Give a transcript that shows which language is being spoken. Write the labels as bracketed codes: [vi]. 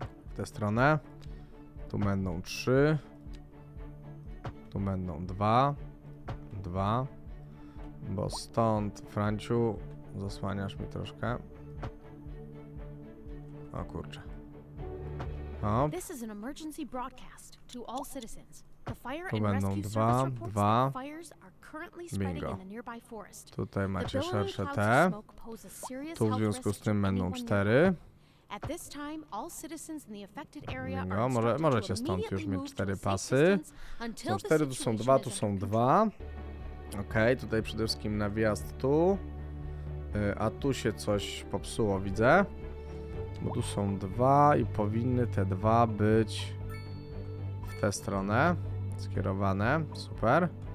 [pl] W tę stronę. Tu będą 3. Tu będą 2. 2. Bo stąd, Franciu, zasłaniasz mi troszkę. O kurczę. O. [en] This is an emergency broadcast to all citizens. The fire and rescue service reports that fires are currently spreading. [pl] Tutaj macie szersze te. Tu w związku z tym będą 4. [en] At this time, all citizens in the affected area are instructed to immediately move. [pl] Możecie stąd już mieć 4 pasy. Są 4, tu są 2, tu są 2. Okej, okay, tutaj przede wszystkim na wjazd tu. A tu się coś popsuło, widzę. Bo tu są 2 i powinny te 2 być w tę stronę skierowane. Super.